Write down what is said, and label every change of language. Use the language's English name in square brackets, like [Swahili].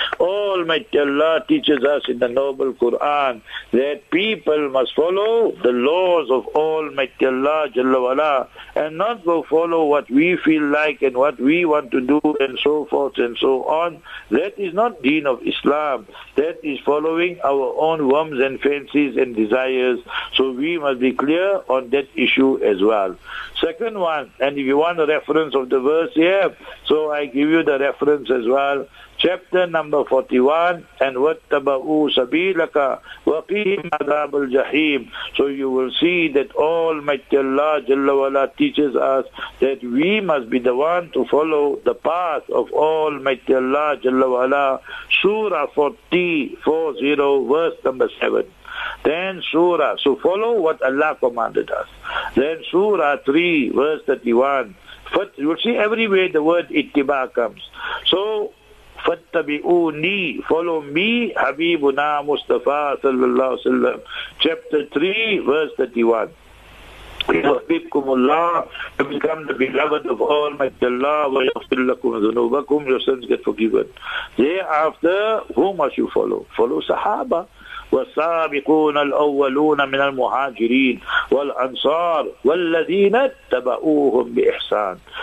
[English] Almighty Allah teaches us in the noble Quran that people must follow the laws of Almighty Allah Jalla Wala, and not go follow what we feel like and what we want to do and so forth and so on. That is not deen of Islam. That is following our own whims and fancies and desires. So we must be clear on that issue as well. Second one, and if you want a reference of the verse here, so I give you the reference as well. Chapter number 41, and [Arabic] وَاتَّبَعُوا سَبِيلَكَ وَقِهِمْ عَذَابُ الْجَحِيمُ. [English] So you will see that Almighty Allah Jalla Wala teaches us that we must be the one to follow the path of Almighty Allah Jalla Wala. Surah 40, verse number 7. Then Surah, so follow what Allah commanded us. Then Surah 3, verse 31. You will see everywhere the word ittiba comes. So [Arabic] فَاتَّبِعُونِي, [English] follow me, Habibuna Mustafa sallallahu alaihi wasallam. Chapter 3, verse 31. [Arabic] يُحْبِبْكُمُ اللَّهِ, [English] you become the beloved of Almighty Allah, [Arabic] وَيَغْفِرْ لَكُمْ ذُنُوبَكُمْ, [English] your sins get forgiven. Thereafter, whom must you follow? Follow Sahaba. [Arabic] والسابقون الأولون من المهاجرين والأنصار والذين اتبعوهم بإحسان.